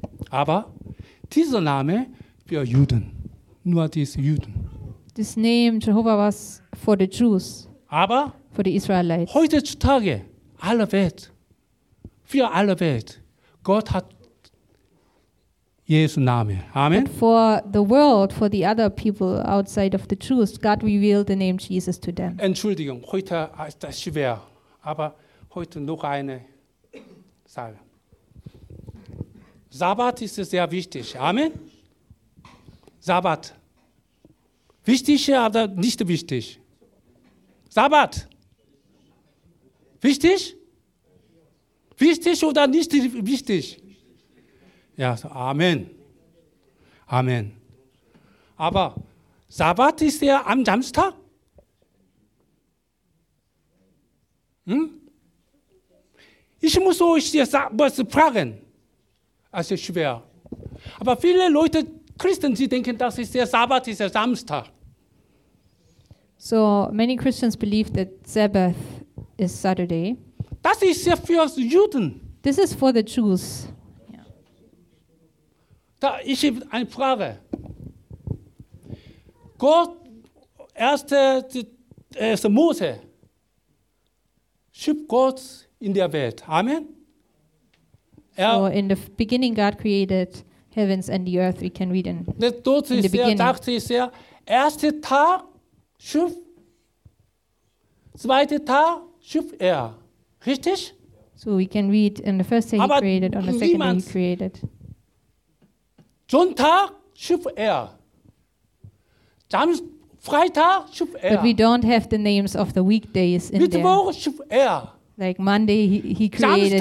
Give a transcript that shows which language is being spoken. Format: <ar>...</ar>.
<de>Aber dieser Name für Juden, nur diese Juden.</de> <en>This name Jehovah was for the Jews.</en> <de>Aber</de> <en>for the Israelites.</en> <de>Heutzutage, alle Welt, für alle Welt, Gott hat Jesu Name. Amen.</de> <en>And for the world, for the other people outside of the Jews, God revealed the name Jesus to them.</en> <de>Entschuldigung, heute ist das schwer, aber heute noch eine Sache. Sabbat ist sehr wichtig. Amen. Sabbat. Wichtig oder nicht wichtig? Sabbat. Wichtig? Wichtig oder nicht wichtig? Ja, Amen. Amen. Aber Sabbat ist ja am Samstag? Hm? Ich muss euch was fragen. Das ist schwer. Aber viele Leute, Christen, sie denken, das ist der Sabbat, ist der Samstag.</de> <en>So many Christians believe that Sabbath is Saturday.</en> <de>Das ist ja für Juden.</de> <en>This is for the Jews.</en> <de>Da ich habe eine Frage. Gott, erste Mose, schuf Gott in der Welt. Amen.</de> <en>So in the beginning God created heavens and the earth, we can read in the beginning.</en> <de>Er dachte sehr, erste Tag schuf, zweite Tag schuf er. Richtig?</de> <en>So we can read in the first day he created, on the second day he created.</en> <de>Sonntag schuf er. Freitag schuf er.</de> <en>But we don't have the names of the weekdays in</en> <de>Mittwoch</de> <en>there.</en> <de>Mittwoch schuf er.</de> <en>Like Monday he created,</en>